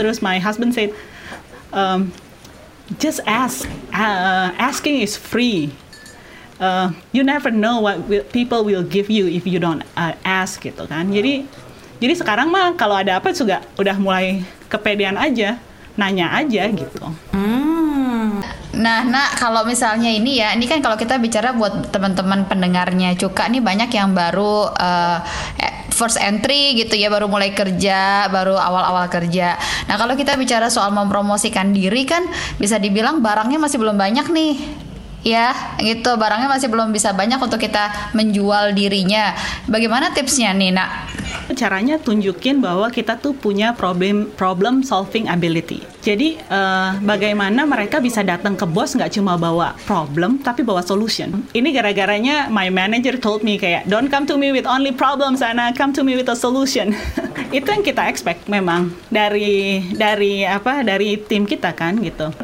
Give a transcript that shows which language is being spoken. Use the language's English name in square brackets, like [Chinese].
[Indonesian] Terus [English] my husband said just ask, asking is free. You never know what people will give you if you don't ask [Indonesian] gitu kan. Jadi sekarang mah kalau ada apa juga udah mulai kepedean aja, nanya aja gitu. Nah, Nak, kalau misalnya ini ya, ini kan kalau kita bicara buat teman-teman pendengarnya Cuka, ini banyak yang baru [English] first entry [Indonesian] gitu ya, baru mulai kerja, baru awal-awal kerja. Nah, kalau kita bicara soal mempromosikan diri kan bisa dibilang barangnya masih belum banyak nih. Ya, gitu, barangnya masih belum bisa banyak untuk kita menjual dirinya. Bagaimana tipsnya nih, Nak? Caranya tunjukin bahwa kita tuh punya [English] problem solving ability. [Indonesian] Jadi bagaimana mereka bisa datang ke bos nggak cuma bawa problem tapi bawa solution. Ini gara-garanya [English] my manager told me [Indonesian] kayak [English] don't come to me with only problems Anna, come to me with a solution. [Indonesian] Itu yang kita expect memang dari tim kita kan gitu.